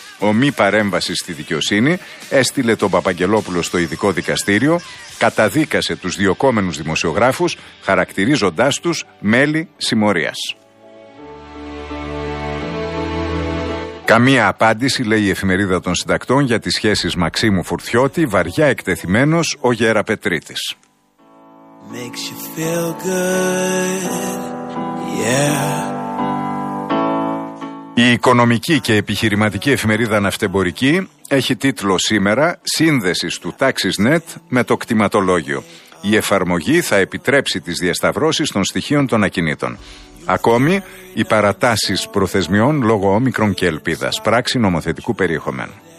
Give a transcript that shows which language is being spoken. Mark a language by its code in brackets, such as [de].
[el] Ο μη παρέμβαση στη δικαιοσύνη έστειλε τον Παπαγγελόπουλο στο ειδικό δικαστήριο, καταδίκασε τους διωκόμενους δημοσιογράφους, χαρακτηρίζοντάς τους μέλη συμμορίας. Καμία απάντηση, λέει η εφημερίδα των συντακτών, για τις σχέσεις Μαξίμου Φουρθιώτη, βαριά εκτεθειμένος ο Γεραπετρίτης. [en] Makes you feel good, yeah. [el] Η οικονομική και επιχειρηματική εφημερίδα Ναυτεμπορική έχει τίτλο σήμερα «Σύνδεσης του TaxisNet με το κτηματολόγιο. Η εφαρμογή θα επιτρέψει τις διασταυρώσεις των στοιχείων των ακινήτων». Ακόμη, οι παρατάσεις προθεσμιών λόγω όμικρον και ελπίδας, πράξη νομοθετικού περιεχομένου.